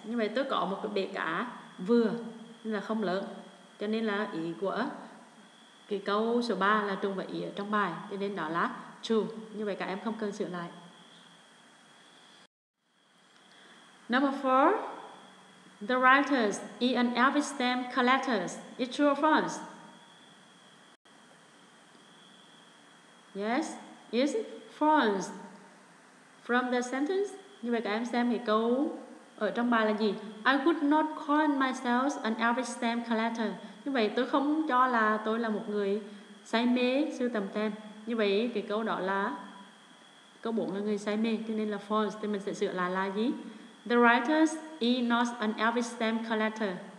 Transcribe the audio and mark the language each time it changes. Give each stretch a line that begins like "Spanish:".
Vietnamese: Như vậy tôi có một cái bể cá vừa, nên là không lớn. Cho nên là ý của cái câu số 3 là trùng với ý ở trong bài. Cho nên đó là true. Như vậy các em không cần sửa lại.
English: Number 4, the writer is an avid stamp collector. Is it true or false? Yes, is it false? From the sentence,
Vietnamese: như vậy các em xem cái câu ở trong bài là gì?
English: I would not call myself an avid stamp collector.
Vietnamese: Như vậy tôi không cho là tôi là một người say mê sưu tầm stamp. Như vậy cái câu đó là câu 4 là người say mê, cho nên là false. Thì mình sẽ sửa lại là gì?
English: The writer is not an avid stamp collector.